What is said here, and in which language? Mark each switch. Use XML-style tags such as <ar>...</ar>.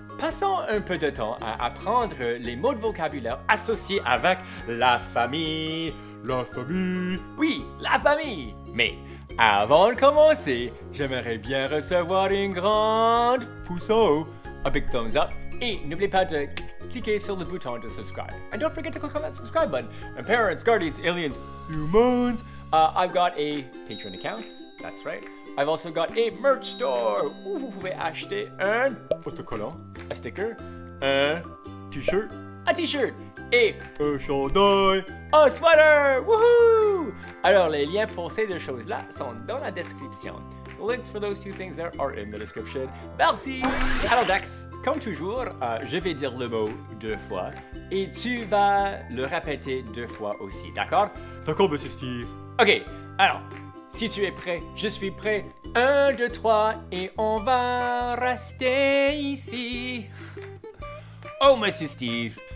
<fr>Passons un peu de temps à apprendre les mots de vocabulaire associés avec la famille. La famille. Oui, la famille. Mais avant de commencer, j'aimerais bien recevoir une grande... pouce en haut.</fr> <en>Un big thumbs up.</en> <fr>Et n'oubliez pas de cliquer sur le bouton de subscribe.</fr> <en>And don't forget to click on that subscribe button. And parents, guardians, aliens, humans. I've got a Patreon account. That's right. I've also got a merch store</en> <fr>où vous pouvez acheter un autocollant, un sticker, un t-shirt, un t-shirt et un chandail, un sweater. Woohoo! Alors les liens pour ces deux choses-là sont dans la description.</fr> <en>Links for those two things there are in the description.</en> <fr>Merci! Alors Dax, comme toujours, je vais dire le mot deux fois et tu vas le répéter deux fois aussi, d'accord? D'accord, monsieur Steve. Ok, alors, si tu es prêt, je suis prêt. 1, 2, 3, et on va rester ici. Oh, monsieur Steve.</fr>